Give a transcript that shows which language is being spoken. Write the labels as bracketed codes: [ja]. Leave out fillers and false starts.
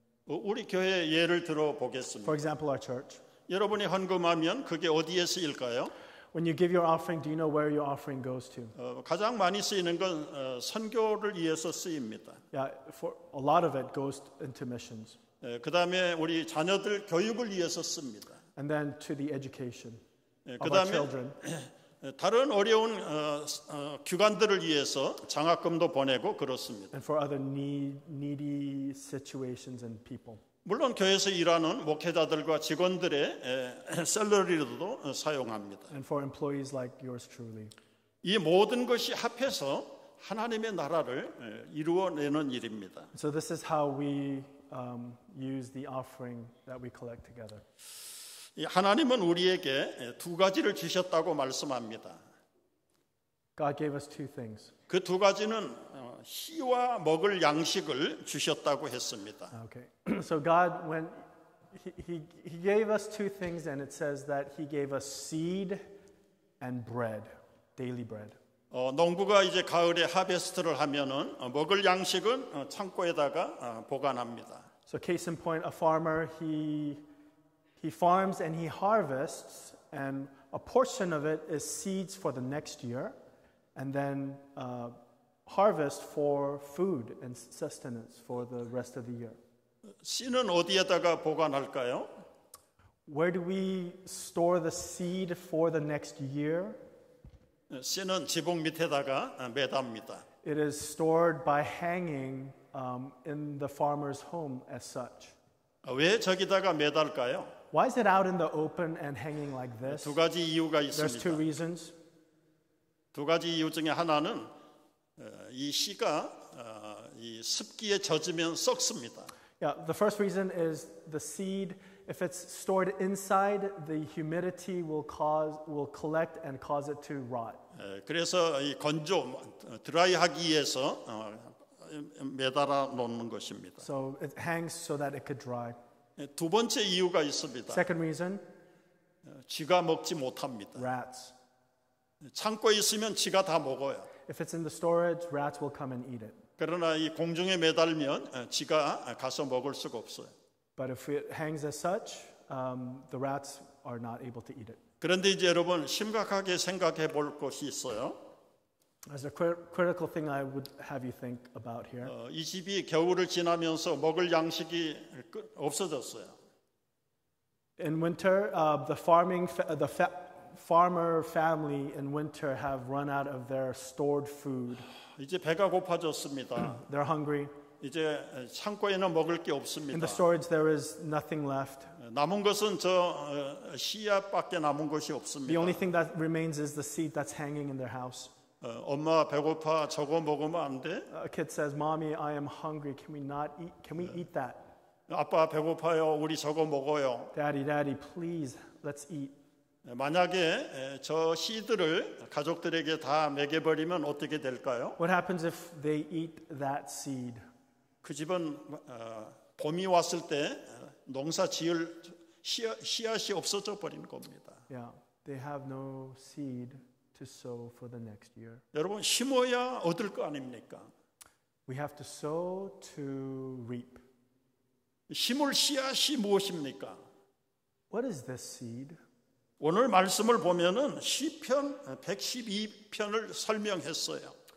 [ko] 우리 교회 예를 들어 보겠습니다. [en] For example, our church. [ko] 여러분이 헌금하면 그게 어디에 쓰일까요? [en] When you give your offering, do you know where your offering goes to? [ko] 가장 많이 쓰이는 건 선교를 위해서 쓰입니다. [en] Yeah, for a lot of it goes into missions. [ko] 그다음에 우리 자녀들 교육을 위해서 씁니다. [en] And then to the education of our children. [ko] 다른 어려운 기관들을 위해서 장학금도 보내고 그렇습니다. [en] And for other needy situations and people. [ko] 물론 교회에서 일하는 목회자들과 직원들의 셀러리로도 사용합니다. [en] And for employees like yours truly. [ko] 이 모든 것이 합해서 하나님의 나라를 이루어내는 일입니다. [en] So this is how we use the offering that we collect together. [ko] 하나님은 우리에게 두 가지를 주셨다고 말씀합니다. [en] God gave us two things. [ko] 그 두 가지는 씨와 먹을 양식을 주셨다고 했습니다. [en] Okay. So God when he gave us two things and it says that he gave us seed and bread, daily bread. [ko] 농부가 이제 가을에 하베스트를 하면은 먹을 양식은 창고에다가 보관합니다. [en] So case in point, a farmer he farms and he harvests and a portion of it is seeds for the next year. And then harvest for food and sustenance for the rest of the year. [ko] 씨는 어디에다가 보관할까요? [en] Where do we store the seed for the next year? [ko] 씨는 지붕 밑에다가 매답니다. [en] It is stored by hanging in the farmer's home as such. [ko] 왜 저기다가 매달까요? [en] Why is it out in the open and hanging like this? [ko] 두 가지 이유가 있습니다. [en] There's two reasons. [ko] 두 가지 이유 중에 하나는 이 씨가 이 습기에 젖으면 썩습니다. [en] Yeah, the first reason is the seed. If it's stored inside, the humidity will collect and cause it to rot. [ko] 그래서 이 건조 드라이하기 위해서 매달아 놓는 것입니다. [en] So it hangs so that it could dry. [ko] 두 번째 이유가 있습니다. [en] Second reason. [ko] 쥐가 먹지 못합니다. [en] Rats. [ko] 창고에 있으면 쥐가 다 먹어요. [en] If it's in the storage, rats will come and eat it. [ko] 그러나 이 공중에 매달면 쥐가 가서 먹을 수가 없어요. [en] But if it hangs as such, the rats are not able to eat it. [ko] 그런데 이제 여러분 심각하게 생각해 볼 것이 있어요. [en] As a critical thing I would have you think about here. [ko] 이 집이 겨울을 지나면서 먹을 양식이 없어졌어요. [en] In winter, the farmer family in winter have run out of their stored food. [ko] 이제 배가 고파졌습니다. [en] They're hungry. [ko] 이제 창고에는 먹을 게 없습니다. [en] In the storage there is nothing left. [ko] 남은 것은 저 씨앗밖에 남은 것이 없습니다. [en] The only thing that remains is the seed that's hanging in their house. [ko] 엄마 배고파 저거 먹으면 안 돼? [en] A kid says, "Mommy, I am hungry. Can we not eat? Can we eat that?" [ko] 아빠 배고파요. 우리 저거 먹어요. [en] Daddy, daddy, please, let's eat. [ko] 만약에 저 씨들을 가족들에게 다 먹여버리면 어떻게 될까요? [en] What happens if they eat that seed? [ko] 그 집은 봄이 왔을 때 농사 지을 씨앗이 없어져 버리는 겁니다. [en] Yeah, they have no seed to sow for the next year. [ko] 여러분 심어야 얻을 거 아닙니까? [en] We have to sow to reap. [ko] 심을 씨앗이 무엇입니까? [en] What is this seed? [ko] 오늘 말씀을 보면은 시편 112편을 설명했어요.